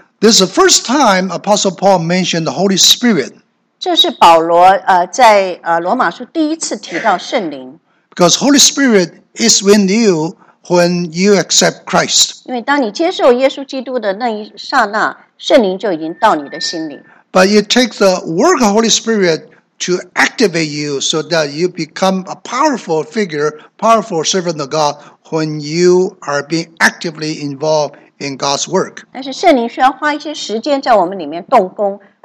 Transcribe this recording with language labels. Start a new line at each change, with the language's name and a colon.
English: This is the first time Apostle Paul mentioned the Holy Spirit.
Chinese: 这是保罗在罗马书第一次提到圣灵。
English: Because Holy Spirit is with you when you accept Christ.
Chinese: 因为当你接受耶稣基督的那一刹那，圣灵就已经到你的心里。But
English: it takes the work of Holy Spirit to activate you so that you become a powerful figure, powerful servant of God when you are being actively involved in God's work.
Chinese: 但是圣灵需要花一些时间在我们里面动工。